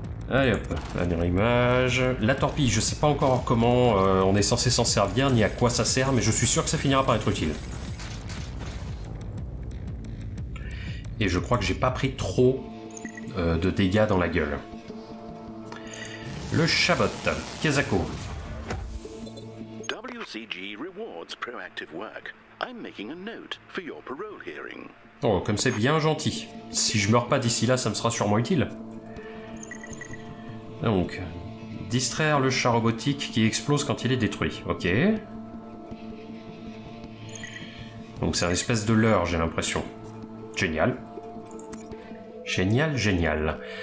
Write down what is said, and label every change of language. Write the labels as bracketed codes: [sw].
[fr] Allez hop, dernière image. La torpille, je sais pas encore comment on est censé s'en servir, ni à quoi ça sert, mais je suis sûr que ça finira par être utile. Et je crois que j'ai pas pris trop de dégâts dans la gueule. Le Chabot, Kezako. [en] WCG rewards proactive work. I'm making a note for your parole hearing. [fr] Oh, comme c'est bien gentil. Si je meurs pas d'ici là, ça me sera sûrement utile. Donc, distraire le char robotique qui explose quand il est détruit. Ok. Donc c'est une espèce de leurre, j'ai l'impression. Génial. Génial, génial.